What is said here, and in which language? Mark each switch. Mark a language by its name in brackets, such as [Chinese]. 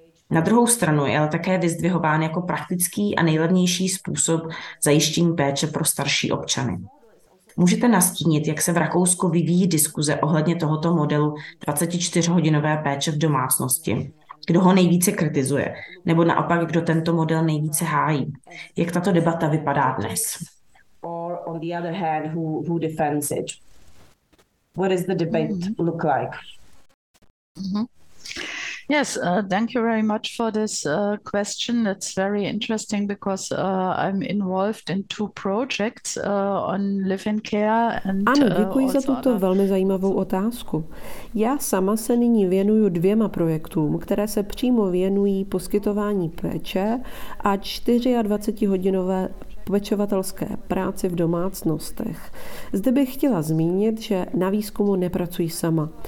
[Czech] Na druhou stranu je ale také vyzdvihován jako praktický a nejlevnější způsob zajištění péče pro starší občany. Můžete nastínit, jak se v Rakousku vyvíjí diskuze ohledně tohoto modelu 24-hodinové péče v domácnosti? Kdo ho nejvíce kritizuje? Nebo naopak, kdo tento model nejvíce hájí? Jak tato debata vypadá dnes? [English] Or on the other hand, who defends it? What does the debate look like? Yes, thank you very much for this question. It's very interesting because I'm involved in two projects on live-in care and. [Czech] Ano, děkuji za tuto velmi zajímavou otázku. Já sama se nyní věnuju dvěma projektům, které se přímo věnují poskytování péče a 24-hodinové pečovatelské práci v domácnostech. Zde bych chtěla zmínit, že na výzkumu nepracuji sama.